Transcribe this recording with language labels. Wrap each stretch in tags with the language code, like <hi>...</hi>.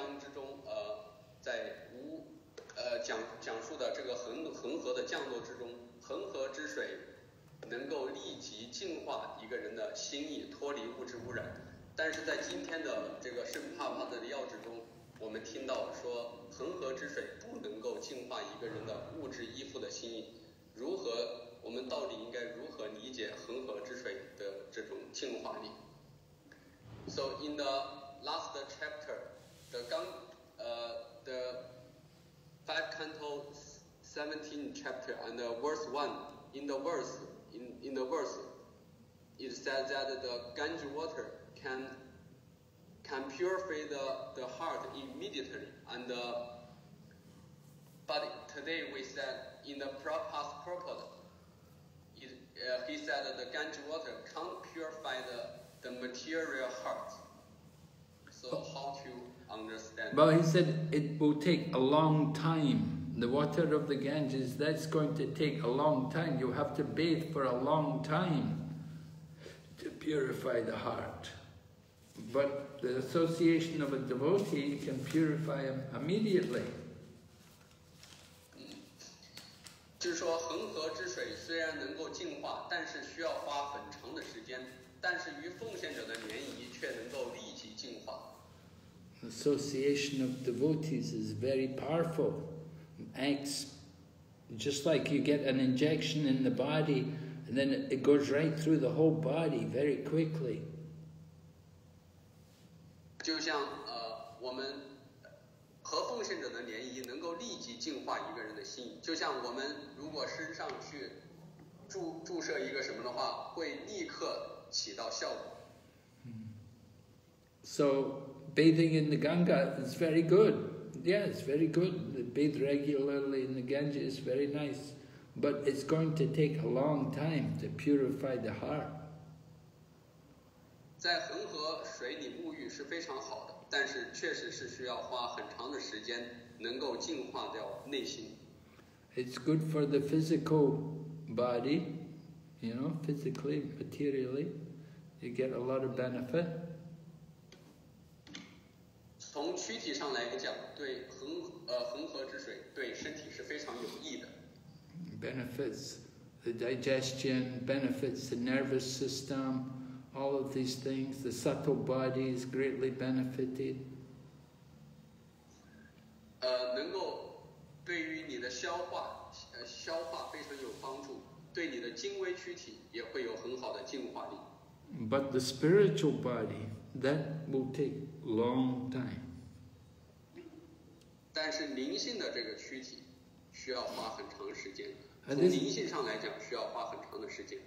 <zh>章之中，在无讲述的这个恒河的降落之中，恒河之水能够立即净化一个人的心意，脱离物质污染。但是在今天的这个圣帕帕德的要旨中，我们听到说恒河之水不能够净化一个人的物质依附的心意。如何，我们到底应该如何理解恒河之水的这种净化力？</zh> <en>So in the last chapter, the five canto 17 chapter and verse 1, in the verse, it says that the Ganges water can purify the heart immediately. But today we said in the Prabhupada's purport, he said that the Ganges water can't purify the material heart. So how to understand? Well, he said it will take a long time. The water of the Ganges, that's going to take a long time. You have to bathe for a long time to purify the heart. But the association of a devotee can purify him immediately.</en> <zh>就是说，恒河之水虽然能够净化，但是需要花很长的时间。但是与奉献者的联谊却能够立即净化。</zh> <en>Association of devotees is very powerful. Acts just like you get an injection in the body, and then it goes right through the whole body very quickly.</en> <zh>就像我们和奉献者的联谊能够立即净化一个人的心，就像我们如果身上去注射一个什么的话，会立刻起到效果。</zh> <en>So bathing in the Ganga is very good. Yeah, it's very good. Bathe regularly in the Ganges is very nice, but it's going to take a long time to purify the heart.</en> <zh>在恒河水里沐浴是非常好的。但是确实是需要花很长的时间能够净化掉内心。</zh> <en>It's good for the physical body, you know, physically, materially, you get a lot of benefit.</en> <zh>从躯体上来讲，对恒河之水对身体是非常有益的。</zh> <en>Benefits the digestion, benefits the nervous system. All of these things, the subtle body is greatly benefited.</en> <zh>能够对于你的消化非常有帮助，对你的精微躯体也会有很好的净化力。 But the spiritual body, that will take long time. 但是灵性的这个躯体需要花很长时间。从灵性上来讲，需要花很长的时间。</zh>